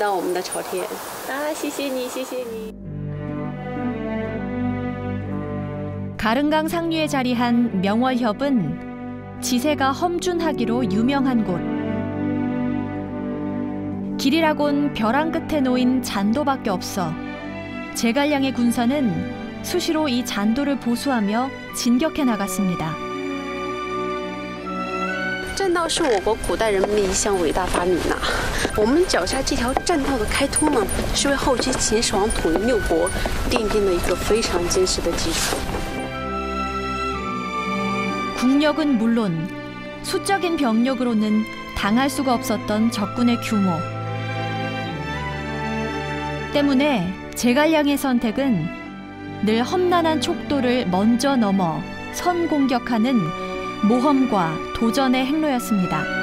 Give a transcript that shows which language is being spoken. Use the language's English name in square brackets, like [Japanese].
[Chinese] 你好，你好，你好，你好。我是小谢，很高兴认识你。啊，我也很高兴。欢迎来到我们的朝天。啊，谢谢你，谢谢你。 [Korean] 가릉강 상류에 자리한 명월협은 지세가 험준하기로 유명한 곳. 길이라곤 벼랑 끝에 놓인 잔도밖에 없어 제갈량의 군사는 수시로 이 잔도를 보수하며 진격해 나갔습니다. [Chinese] 栈道是我国古代人民一项伟大发明呐。我们脚下这条栈道的开通呢，是为后期秦始皇统一六国奠定了一个非常坚实的基础。 [Korean] 국력은 물론 수적인 병력으로는 당할 수가 없었던 적군의 규모 때문에 제갈량의 선택은 늘 험난한 촉도를 먼저 넘어 선 공격하는 모험과 도전의 행로였습니다.